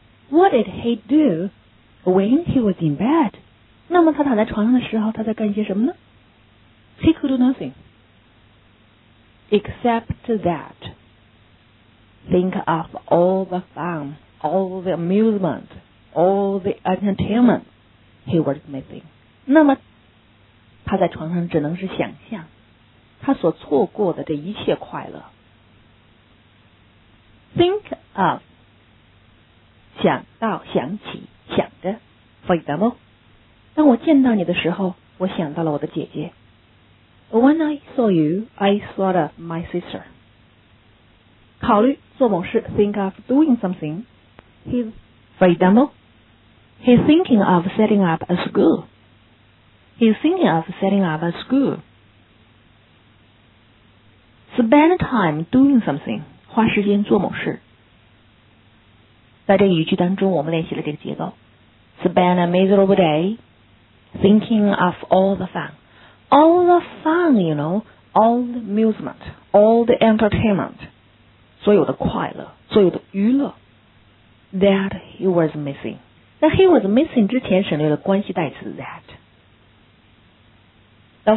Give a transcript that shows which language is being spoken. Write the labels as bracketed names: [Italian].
[English] What did he do when he was in bed? [Chinese] 那么他躺在床上的时候他在干些什么呢？ [English] He could do nothingExcept that, think of all the fun, all the amusement, all the entertainment he was missing. [Chinese] 那么他在床上只能是想象他所错过的这一切快乐。 [English] Think of, [Chinese] 想到想起想着。 [English] For example, [Chinese] 当我见到你的时候我想到了我的姐姐。 [English] When I saw you, I thought of my sister. [Chinese] 考虑做某事 [English] think of doing something. He's, for example, he's thinking of setting up a school. He's thinking of setting up a school. Spend time doing something. [Chinese] 花时间做某事。在这个语句当中我们练习了这个结构。 [English] Spend a miserable day thinking of all the fun. All the fun, you know, all the amusement, all the entertainment, [Chinese] 所有的快乐，所有的娱乐 [English] that he was missing. [Chinese] 在 he was missing 之前省略了关系代词 that.